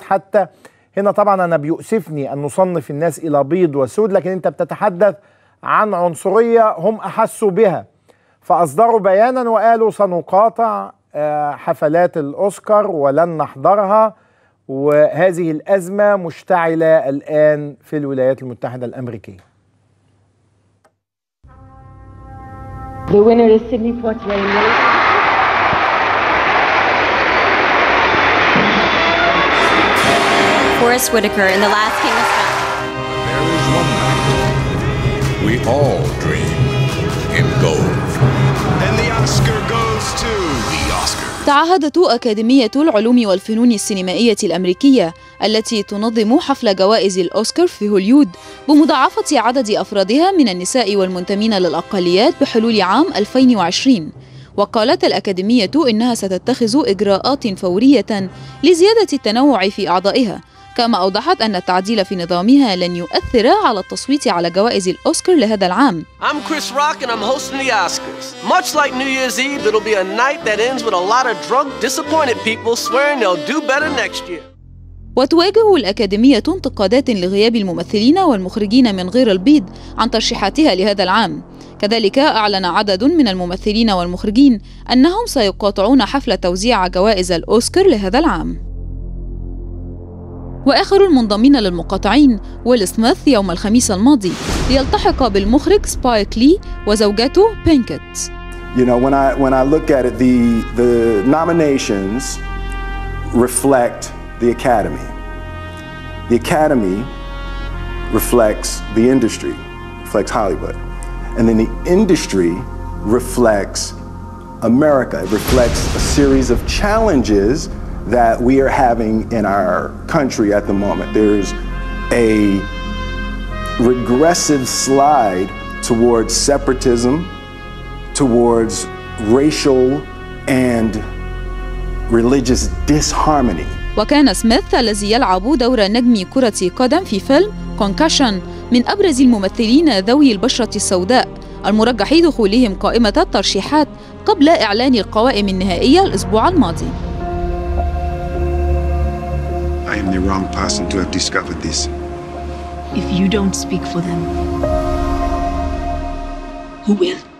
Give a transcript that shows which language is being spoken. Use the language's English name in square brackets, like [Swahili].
[Arabic] حتى هنا طبعا أنا بيؤسفني أن نصنف الناس إلى بيض وسود، لكن أنت بتتحدث عن عنصرية هم أحسوا بها فأصدروا بيانا وقالوا سنقاطع حفلات الأوسكار ولن نحضرها، وهذه الأزمة مشتعلة الآن في الولايات المتحدة الأمريكية. [English] The winner is Sydney Poitier. Forest Whitaker in The Last King of Scotland. There is one night we all dream in gold. And the Oscar goes to the Oscar. [Arabic] تعهدت أكاديمية العلوم والفنون السينمائية الأمريكية التي تنظم حفل جوائز الأوسكار في هوليود بمضاعفة عدد أفرادها من النساء والمنتمين للأقليات بحلول عام 2020، وقالت الأكاديمية إنها ستتخذ إجراءات فورية لزيادة التنوع في أعضائها، كما أوضحت أن التعديل في نظامها لن يؤثر على التصويت على جوائز الأوسكار لهذا العام. [English] I'm Chris Rock and I'm hosting the Oscars. Much like New Year's Eve, it'll be a night that ends with a lot of drunk, disappointed people swearing they'll do better next year. [Arabic] وتواجه الأكاديمية انتقادات لغياب الممثلين والمخرجين من غير البيض عن ترشيحاتها لهذا العام. كذلك أعلن عدد من الممثلين والمخرجين أنهم سيقاطعون حفل توزيع جوائز الأوسكار لهذا العام. وآخر المنضمين للمقاطعين ويل سميث يوم الخميس الماضي ليلتحق بالمخرج سبايك لي وزوجته بينكت. [English] You know, when I look at it, the nominations reflect the academy. The academy reflects the industry, reflects Hollywood. And then the industry reflects America. It reflects a series of challenges that we are having in our country at the moment. There's a regressive slide towards separatism, towards racial and religious disharmony. [Arabic] وكان سميث الذي يلعب دور نجم كرة قدم في فيلم كونكشن من أبرز الممثلين ذوي البشرة السوداء المرجح دخولهم قائمة الترشيحات قبل إعلان القوائم النهائية الأسبوع الماضي. [English] I am the wrong person to have discovered this. If you don't speak for them, who will?